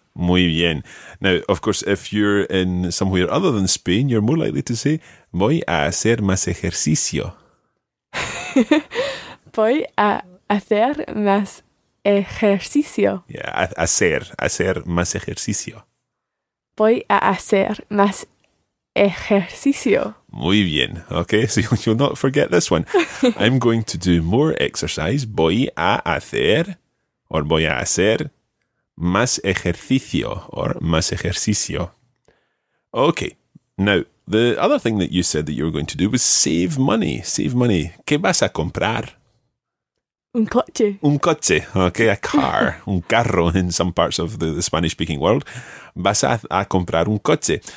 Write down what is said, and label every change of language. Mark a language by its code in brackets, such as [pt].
[en] Muy bien. Now, of course, if you're in somewhere other than Spain, you're more likely to say, [es] voy a hacer más ejercicio. Voy a hacer más ejercicio. Yeah, hacer más ejercicio. Voy a hacer más ejercicio. Muy bien. [en] Okay, so you'll not forget this one. I'm going to do more exercise. [es] Voy a hacer, or voy a hacer, más ejercicio, or más ejercicio. [en] Okay, now, the other thing that you said that you were going to do was save money. Save money. [es] ¿Qué vas a comprar? Un coche. Un coche. [en] Okay, a car. [es] Un carro [en] in some parts of the Spanish-speaking world. [es] Vas a comprar un coche.